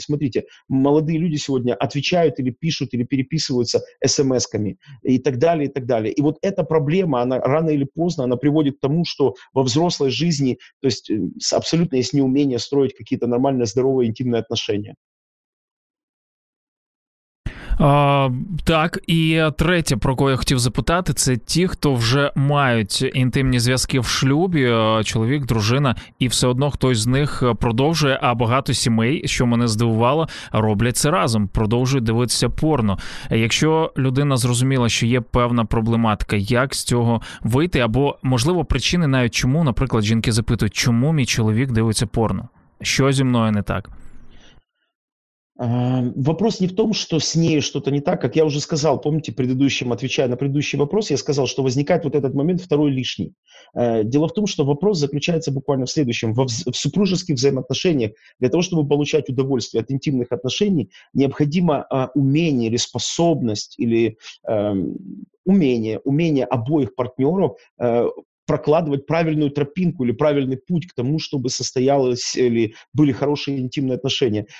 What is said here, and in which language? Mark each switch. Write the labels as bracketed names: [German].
[Russian] Смотрите, молодые люди сегодня отвечают или пишут, или переписываются смс-ками и так далее, и так далее. И вот эта проблема, она рано или поздно, она приводит к тому, что во взрослой жизни, то есть абсолютно есть неумение строить какие-то нормальные, здоровые, интимные отношения. [Ukrainian] Так, і третє, про кого я хотів запитати, це ті, хто вже мають інтимні зв'язки в шлюбі, чоловік, дружина, і все одно хтось з них продовжує, а багато сімей, що мене здивувало, роблять це разом, продовжують дивитися порно. Якщо людина зрозуміла, що є певна проблематика, як з цього вийти, або, можливо, причини навіть чому, наприклад, жінки запитують, чому мій чоловік дивиться порно, що зі мною не так? [Russian] Вопрос не в том, что с ней что-то не так, как я уже сказал, помните, предыдущим, отвечая на предыдущий вопрос, я сказал, что возникает вот этот момент второй лишний. Дело в том, что вопрос заключается буквально в следующем. В супружеских взаимоотношениях для того, чтобы получать удовольствие от интимных отношений, необходимо умение или способность, или умение обоих партнеров прокладывать правильную тропинку или правильный путь к тому, чтобы состоялось или были хорошие интимные отношения.